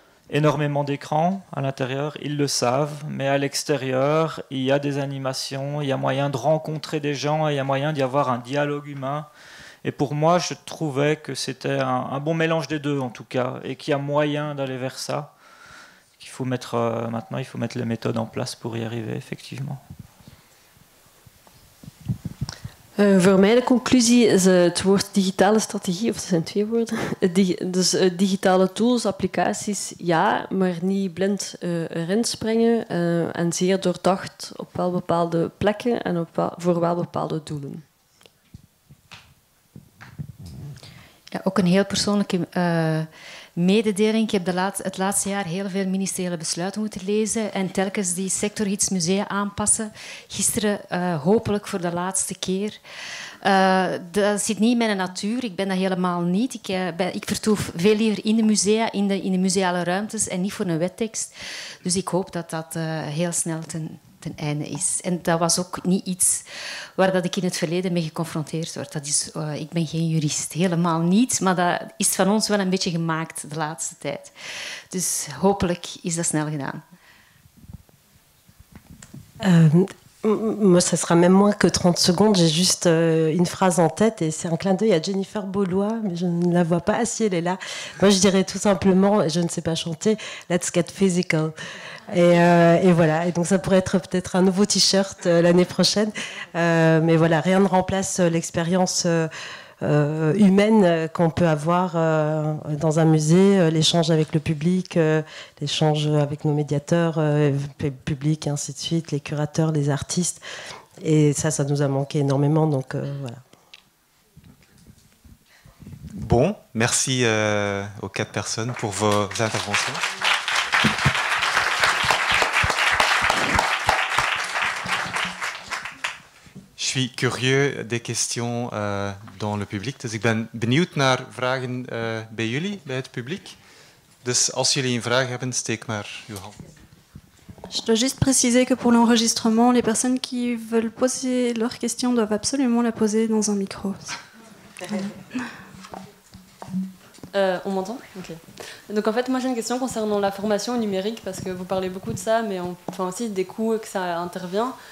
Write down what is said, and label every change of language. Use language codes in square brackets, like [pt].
[fr] Énormément d'écrans à l'intérieur, ils le savent, mais à l'extérieur, il y a des animations, il y a moyen de rencontrer des gens, il y a moyen d'y avoir un dialogue humain. Et pour moi, je trouvais que c'était un bon mélange des deux, en tout cas, et qu'il y a moyen d'aller vers ça. Qu'il faut mettre, maintenant, il faut mettre les méthodes en place pour y arriver, effectivement. [nl] Voor mij de conclusie is het woord digitale strategie, of het zijn twee woorden. Dus digitale tools, applicaties, ja, maar niet blind erin springen en zeer doordacht op wel bepaalde plekken en voor wel bepaalde doelen. Ja, ook een heel persoonlijke mededeling. Ik heb het laatste jaar heel veel ministeriële besluiten moeten lezen en telkens die sectorgids musea aanpassen. Gisteren hopelijk voor de laatste keer. Dat zit niet in mijn natuur. Ik ben dat helemaal niet. Ik vertoef veel liever in de musea, in de museale ruimtes en niet voor een wettekst. Dus ik hoop dat heel snel ten einde is. En dat was ook niet iets waar dat ik in het verleden mee geconfronteerd word. Dat is, ik ben geen jurist, helemaal niet, maar dat is van ons wel een beetje gemaakt de laatste tijd. Dus hopelijk is dat snel gedaan. [fr] Moi, ça sera même moins que 30 secondes. J'ai juste une phrase en tête et c'est un clin d'œil à Jennifer Beaulois, mais je ne la vois pas si elle est là. Moi, je dirais tout simplement, je ne sais pas chanter, [en] let's get physical. [fr] Et voilà. Et donc, ça pourrait être peut-être un nouveau t-shirt l'année prochaine. Mais voilà, rien ne remplace l'expérience humaine qu'on peut avoir dans un musée, l'échange avec le public, l'échange avec nos médiateurs, public et ainsi de suite, les curateurs, les artistes. Et ça nous a manqué énormément. Donc voilà. Bon, merci aux quatre personnes pour vos interventions. Je suis curieux des questions dans le public. [nl] Dus ik ben benieuwd naar vragen bij jullie, bij het publiek. Dus als jullie een vraag hebben, steek maar uw hand. [fr] Je dois juste préciser que pour l'enregistrement, les personnes qui veulent poser leurs questions doivent absolument la poser dans un micro. On m'entend ? Ok. Donc en fait, moi j'ai une question concernant la formation numérique, parce que vous parlez beaucoup de ça, mais enfin aussi des coûts que ça intervient.